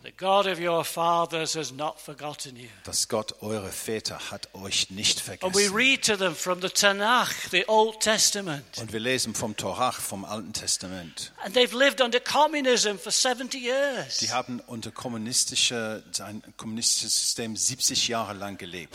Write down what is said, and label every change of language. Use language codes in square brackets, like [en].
[en] The God of your fathers has not forgotten you. [de] Dass Gott eure Väter hat euch nicht vergessen. [en] And we read to them from the Tanakh, the Old Testament. [de] Und wir lesen vom Torah, vom Alten Testament. [en] And they've lived under communism for 70 years. [de] Die haben unter kommunistisches System 70 Jahre lang gelebt.